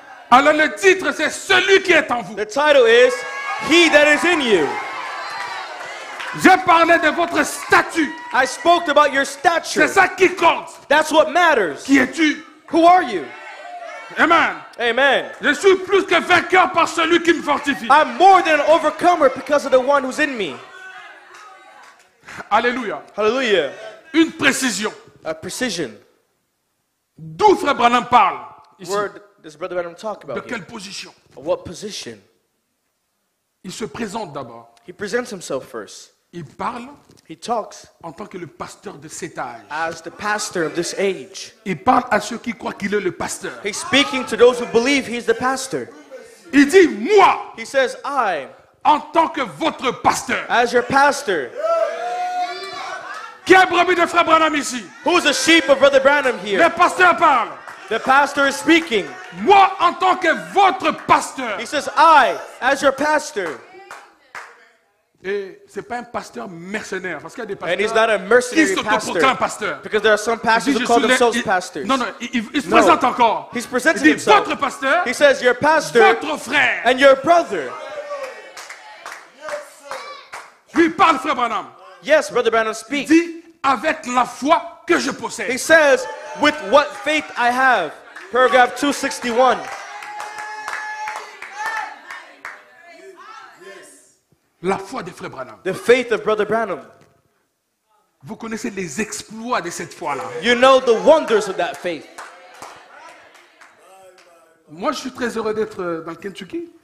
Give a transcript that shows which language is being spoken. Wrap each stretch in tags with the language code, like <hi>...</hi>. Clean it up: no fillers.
<fr>Alors le titre c'est celui qui est en vous.</fr> <en>The title is He that is in you.</en> <fr>Je parlais de votre statut.</fr> <en>I spoke about your stature.</en> <fr>C'est ça qui compte.</fr> <en>That's what matters.</en> <fr>Qui es-tu?</fr> <en>Who are you?</en> <fr>Amen.</fr> <en>Amen.</en> <fr>Je suis plus que vainqueur par celui qui me fortifie.</fr> <en>I'm more than an overcomer because of the one who's in me.</en> <fr>Alléluia.</fr> <en>Hallelujah.</en> <fr>Une précision.</fr> <en>A precision.</en> <fr>D'où Frère Branham parle ici?</fr> <en>Where does Brother Branham talk about?</en> <fr>De quelle</fr> <en>here?</en> <fr>Position?</fr> <en>Of what position?</en> <fr>Il se présente d'abord.</fr> <en>He presents himself first.</en> <fr>Il parle.</fr> <en>He talks.</en> <fr>En tant que le pasteur de cet âge.</fr> <en>As the pastor of this age.</en> <fr>Il parle à ceux qui croient qu'il est le pasteur.</fr> <en>He's speaking to those who believe he's the pastor.</en> <fr>Il dit moi.</fr> <en>He says I.</en> <fr>En tant que votre pasteur.</fr> <en>As your pastor.</en> <fr>Qui est le brebis de Frère Branham ici?</fr> <en>Who's the sheep of Brother Branham here?</en> <fr>Le pasteur parle.</fr> <en>The pastor is speaking.</en> <fr>Moi en tant que votre pasteur.</fr> <en>He says I as your pastor.</en> <fr>Et c'est pas un pasteur mercenaire parce qu'il y a des pasteurs.</fr> <en>And he's not a mercenary</en> <fr>qui s'autoproclament pasteur.</fr> <en>Because there are some pastors who call themselves pastors.</en> <fr>Non, non, il se présente encore.</fr> <en>He's presenting himself.</en> <fr>Il dit votre pasteur.</fr> <en>He says your pastor.</en> <fr>Votre frère.</fr> <en>And your brother.</en> <fr>Lui parle Frère Branham.</fr> <en>Yes, Brother Branham speaks.</en> <fr>Il dit avec la foi que je possède.</fr> <en>He says with what faith I have. Paragraph 261.</en> <fr>La foi de Frère Branham.</fr> <en>The faith of Brother Branham.</en> <fr>Vous connaissez les exploits de cette foi-là.</fr> <en>You know the wonders of that faith.</en> <fr>Moi, je suis très heureux d'être dans le Kentucky.</fr>